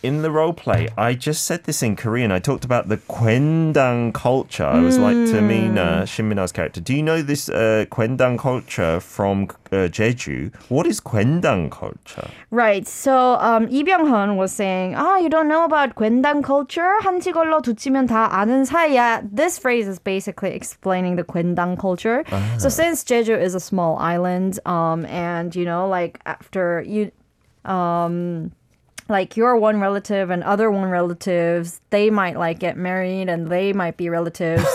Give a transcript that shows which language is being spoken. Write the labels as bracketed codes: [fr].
[en] In the role play, I just said this in Korean. I talked about the 괜당 culture. I was like, to mean Shimina's character. Do you know this 괜당 culture from Jeju? What is 괜당 culture? Right. So, Lee Byung-hun was saying, ah, oh, you don't know about 괜당 culture? [ko] 한치걸로 두치면 다 아는 사이야. [en] This phrase is basically explaining the 괜당 culture. Ah. So, since Jeju is a small island, and, you know, like, after you, like, your one relative and other one relatives, they might, like, get married and they might be relatives.